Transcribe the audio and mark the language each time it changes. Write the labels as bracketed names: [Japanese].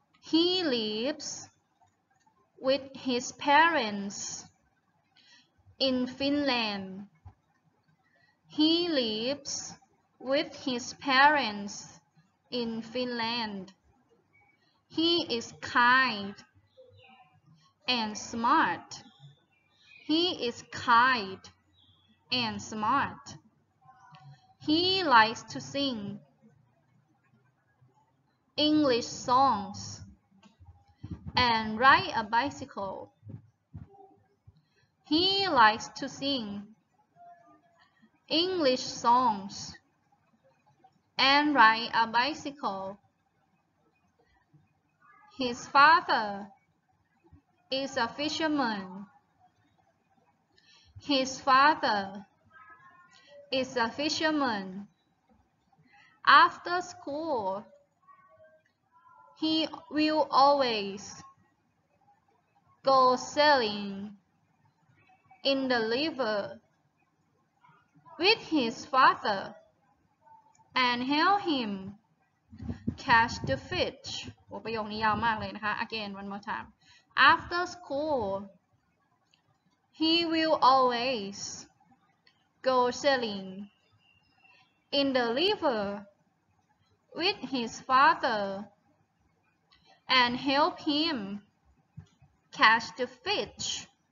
[English] He lives with his parents in Finland He lives with his parentsIn Finland, he is kind and smart. He is kind and smart. He likes to sing English songs and ride a bicycle. He likes to sing English songsAnd ride a bicycle. His father is a fisherman. His father is a fisherman. After school, he will always go sailing in the river with his father. And help him catch the fish. [Thai] โอ้ประโยคนี้ยาวมากเลยนะคะ [English] Again one more time. After school, he will always go sailing in the river with his father and help him catch the fish.